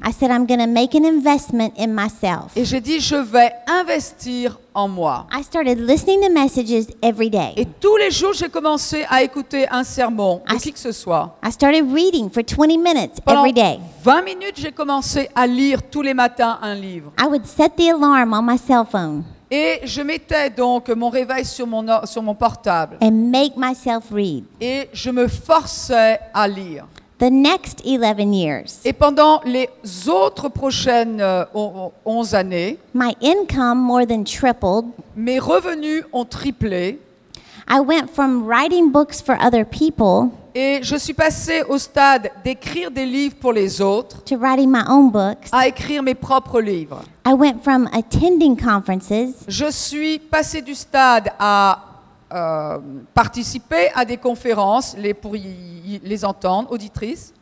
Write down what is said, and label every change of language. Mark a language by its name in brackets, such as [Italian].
[English] I said I'm going to make an investment in myself. [French] Et j'ai dit je vais investir en moi. [English] I started listening to messages every day. [French] Et tous les jours j'ai commencé à écouter un sermon ou qui que ce soit. [English] I started reading for 20 minutes [French] Pendant [English] every day. [French] 20 minutes j'ai commencé à lire tous les matins un livre. [English] I would set the alarm on my cell phone. [French] Et je mettais donc mon réveil sur mon portable. [English] And make myself read. [French] Et je me forçais à lire. [English] The next 11 years. [French] Et pendant les autres prochaines 11 années, [English] my income more than tripled. [French] Mes revenus ont triplé. [English] I went from writing books for other people. [French] Et je suis passée au stade d'écrire des livres pour les autres, [English] to writing my own books, [French] à écrire mes propres livres. [English] I went from attending conferences, [French] je suis passée du stade à participer à des conférences, pour les entendre, auditrices,